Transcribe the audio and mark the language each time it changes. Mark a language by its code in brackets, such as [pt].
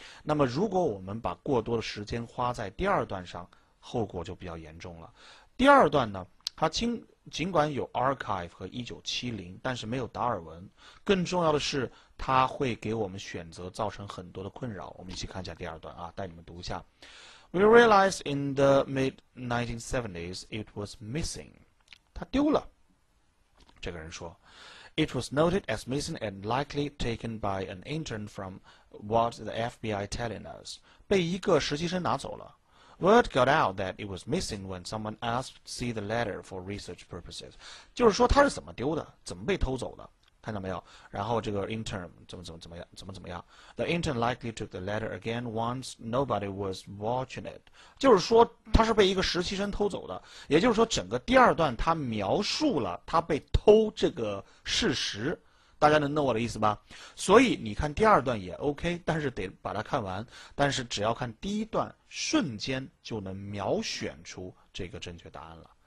[zh] 那么如果我们把过多的时间花在第二段上，后果就比较严重了。第二段呢，它尽管有 archive 和1970，但是没有达尔文。更重要的是，它会给我们选择造成很多的困扰。我们一起看一下第二段啊，带你们读一下。 [en] We realized in the mid-1970s it was missing. [zh] 它丢了。这个人说 [en] ，It was noted as missing and likely taken by an intern from what the FBI telling us. [zh] 被一个实习生拿走了。 [en] Word got out that it was missing when someone asked to see the letter for research purposes. [zh] 就是说他是怎么丢的，怎么被偷走的，看到没有？然后这个 intern 怎么样？ [en] The intern likely took the letter again once nobody was watching it. [zh] 就是说他是被一个实习生偷走的，也就是说整个第二段他描述了他被偷这个事实，大家能弄我的意思吧？所以你看第二段也 OK， 但是得把它看完。但是只要看第一段，瞬间就能秒选出这个正确答案了。